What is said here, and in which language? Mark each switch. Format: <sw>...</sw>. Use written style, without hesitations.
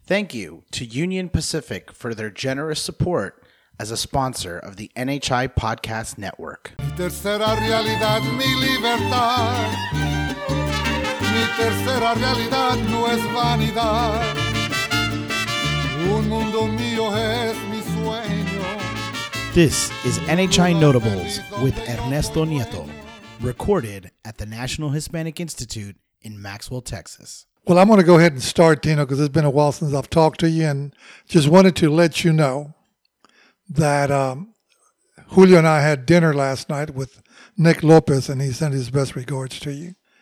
<en>Thank you to Union Pacific for their generous support as a sponsor of the NHI Podcast Network.</en> <es>Mi tercera realidad, mi libertad. Mi tercera realidad no es vanidad. Un mundo mío es mi sueño.</es> <en>This is NHI Notables with Ernesto Nieto, recorded at the National Hispanic Institute in Maxwell, Texas. Well, I'm going to go ahead and start, Tino, because it's been a while since I've talked to you, and just wanted to let you know that Julio and I had dinner last night with Nick Lopez, and he sent his best regards to you.</en>